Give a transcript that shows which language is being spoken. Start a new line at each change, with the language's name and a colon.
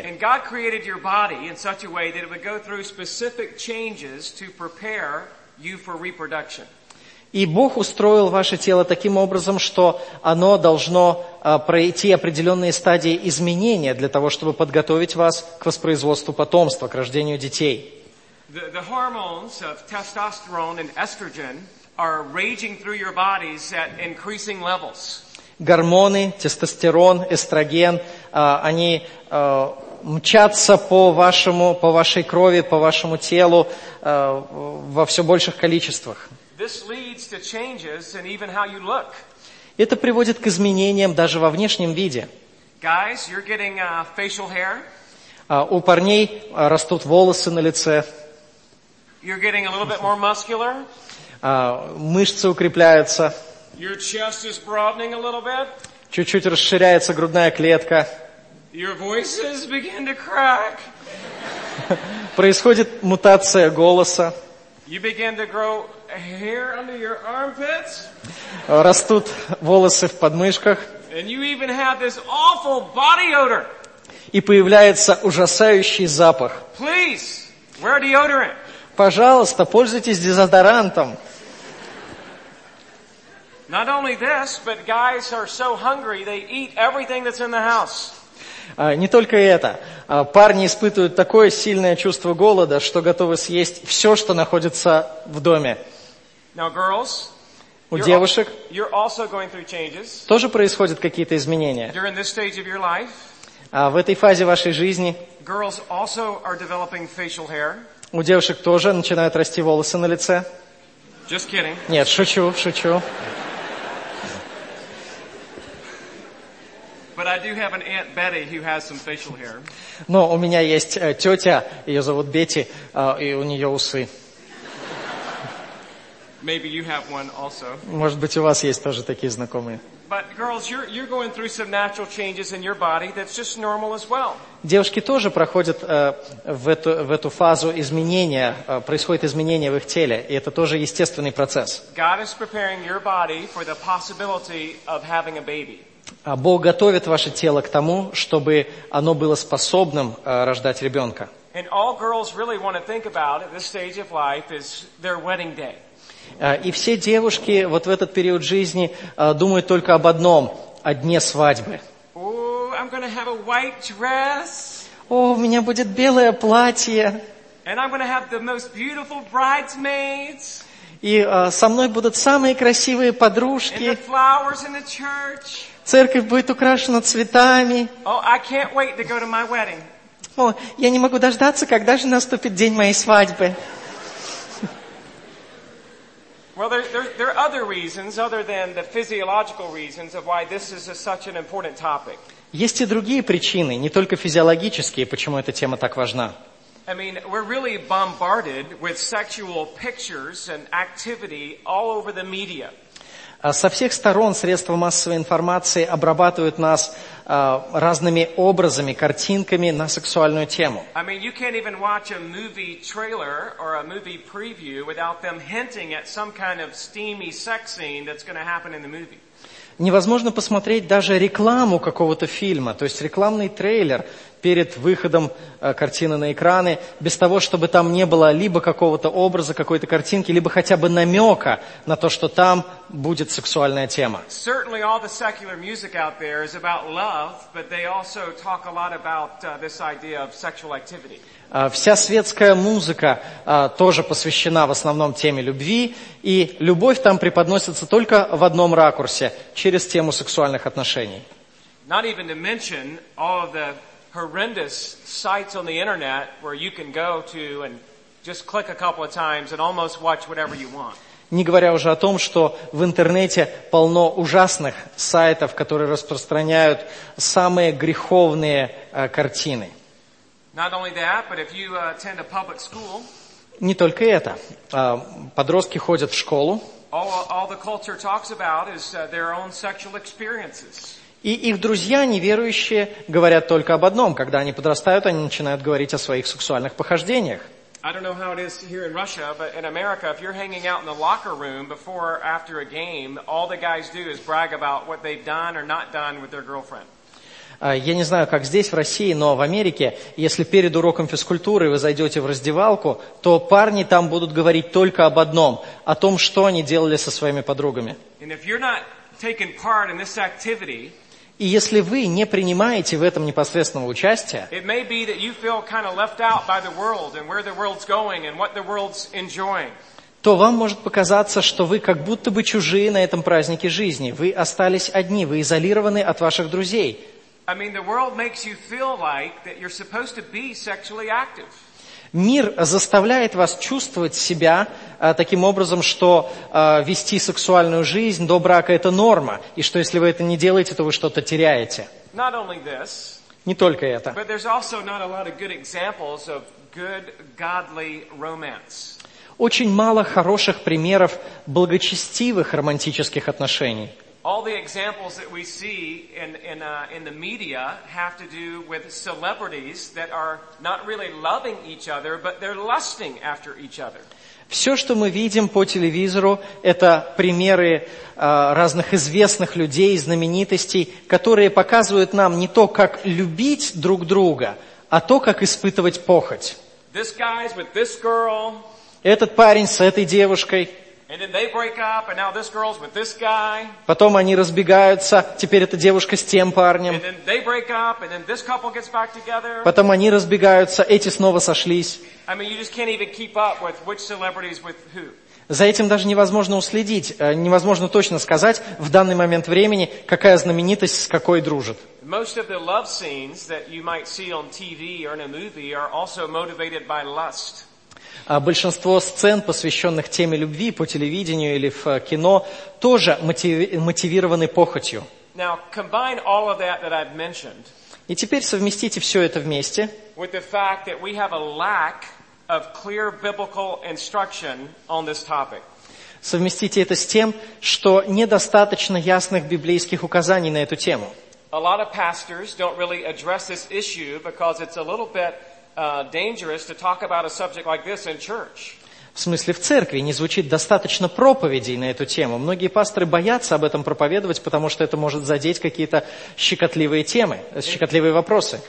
English: And God created your body in such a way that it would go through specific changes to prepare you for reproduction.
Russian: И Бог устроил ваше тело таким образом, что оно должно пройти определенные стадии изменения для того, чтобы подготовить вас к воспроизводству потомства, к рождению детей.
English: The hormones of testosterone and estrogen are raging through your bodies at increasing levels.
Russian: Гормоны, тестостерон, эстроген, они мчатся по вашей крови, по вашему телу во все больших количествах.
English: This leads to changes in even how you look.
Russian: Это приводит к изменениям даже во внешнем виде.
English: Guys, you're getting facial hair.
Russian: У парней растут волосы на лице.
English: You're getting a little bit more muscular.
Russian: Мышцы укрепляются.
English: Your chest is broadening a little bit.
Russian: Чуть-чуть расширяется грудная клетка.
English: Your voices begin to crack.
Russian: Происходит мутация голоса.
English: You begin to grow hair under your armpits.
Russian: Растут волосы в подмышках.
English: And you even have this awful body odor.
Russian: И появляется ужасающий запах.
English: Please, wear deodorant.
Russian: Пожалуйста, пользуйтесь дезодорантом.
English: Not only this, but guys are so hungry, they eat everything that's in the house.
Russian: Не только это. Парни испытывают такое сильное чувство голода, что готовы съесть все, что находится в доме.
English: Now, girls,
Russian: у девушек
English: you're also going through changes.
Russian: Тоже происходят какие-то изменения.
English: During this stage of your life,
Russian: в этой фазе вашей жизни
English: girls also are developing facial hair.
Russian: У девушек тоже начинают расти волосы на лице.
English: Just kidding.
Russian: Нет, шучу, шучу.
English: But I do have an Aunt Betty who has some facial hair.
Russian: Но у меня есть тетя, ее зовут Бетти, и у нее усы.
English: Maybe you have one also.
Russian: Может быть, у вас есть тоже такие знакомые.
English: But girls, you're going through some natural changes in your body that's just normal as well.
Russian: Девушки тоже проходят в эту фазу изменения, происходит изменение в их теле, и это тоже естественный процесс.
English: God is preparing your body for the possibility of having a baby.
Russian: Бог готовит ваше тело к тому, чтобы оно было способным рождать ребенка.
English: And all girls really want to think about at this stage of life is their wedding day.
Russian: И все девушки вот в этот период жизни думают только об одном, о дне свадьбы.
English: Oh, I'm gonna have a white dress.
Russian: Oh, у меня будет белое платье.
English: And I'm gonna have the most beautiful bridesmaids.
Russian: И со мной будут самые красивые подружки.
English: And the flowers in the church.
Russian: Церковь будет украшена цветами.
English: Oh, I can't wait to go to my wedding.
Russian: О, я не могу дождаться, когда же наступит день моей свадьбы.
English: Well, there are other reasons, other than the physiological reasons of why this is such an important topic.
Russian: Есть и другие причины, не только физиологические, почему эта тема так важна.
English: I mean, we're really bombarded with sexual pictures and activity all over the media.
Russian: Со всех сторон средства массовой информации обрабатывают нас разными образами, картинками на сексуальную тему.
English: I mean, you can't even watch a movie trailer or a movie preview without them hinting at some kind of steamy sex scene that's going to happen in the movie.
Russian: Невозможно посмотреть даже рекламу какого-то фильма, то есть рекламный трейлер перед выходом картины на экраны, без того, чтобы там не было либо какого-то образа, какой-то картинки, либо хотя бы намека на то, что там будет сексуальная тема.
English: Certainly all the secular music out there is about love, but they also talk a lot about this idea of sexual activity.
Russian: Вся светская музыка тоже посвящена в основном теме любви, и любовь там преподносится только в одном ракурсе, через тему сексуальных отношений.
English: Not even to mention all of the horrendous sites on the internet where you can go to and just click a couple of times and almost watch whatever you want.
Russian: Не говоря уже о том, что в интернете полно ужасных сайтов, которые распространяют самые греховные картины.
English: Not only that, but if you attend a public school,
Russian: не только это. Подростки ходят в школу.
English: All the culture talks about is their own sexual experiences.
Russian: И их друзья, неверующие, говорят только об одном. Когда они подрастают, они начинают говорить о своих сексуальных похождениях.
English: I don't know how it is here in Russia, but in America, if you're hanging out in the locker room before or after a game, all the guys do is brag about what they've done or not done with their girlfriend.
Russian: Я не знаю, как здесь, в России, но в Америке, если перед уроком физкультуры вы зайдете в раздевалку, то парни там будут говорить только об одном, о том, что они делали со своими подругами.
English: And if you're not taking part in this activity,
Russian: и если вы не принимаете в этом непосредственного участия,
English: it may be that you feel kind of left out by the world and where the world's going and what the world's enjoying.
Russian: То вам может показаться, что вы как будто бы чужие на этом празднике жизни. Вы остались одни, вы изолированы от ваших друзей.
English: I mean, the world makes you feel like that you're supposed to be sexually active.
Russian: Мир заставляет вас чувствовать себя таким образом, что вести сексуальную жизнь до брака – это норма, и что если вы это не делаете, то вы что-то теряете.
English: Not only this,
Russian: не только это.
English: But there's also not a lot of good examples of good, godly romance.
Russian: Очень мало хороших примеров благочестивых романтических отношений.
English: All the examples that we see in the media have to do with celebrities that are not really loving each other, but they're lusting after each other.
Russian: Все, что мы видим по телевизору, это примеры разных известных людей, знаменитостей, которые показывают нам не то, как любить друг друга, а то, как испытывать похоть.
English: This guy's with this girl.
Russian: Этот парень с этой девушкой.
English: And then they break up, and now this girl's with this guy.
Russian: Потом они разбегаются, теперь эта девушка с тем парнем.
English: And then they break up, and then this couple gets back together.
Russian: Потом они разбегаются, эти снова сошлись.
English: I mean, you just can't even keep up with which celebrities with who.
Russian: За этим даже невозможно уследить, невозможно точно сказать в данный момент времени, какая знаменитость с какой дружит.
English: Most of the love scenes that you might see on TV or in a movie are also motivated by lust.
Russian: Большинство сцен, посвященных теме любви по телевидению или в кино, тоже мотивированы похотью.
English: Now, combine all of that that I've mentioned,
Russian: и теперь совместите все это вместе
English: with the fact that we have a lack of clear biblical instruction on this topic.
Russian: Совместите это с тем, что недостаточно ясных библейских указаний на эту тему.
English: A lot of pastors don't really address this issue because it's a little bit dangerous to talk about a subject like this in church.
Russian: В смысле, в церкви не звучит достаточно проповедей на эту тему. Многие пасторы боятся об этом проповедовать, потому что это может задеть какие-то щекотливые темы, щекотливые вопросы.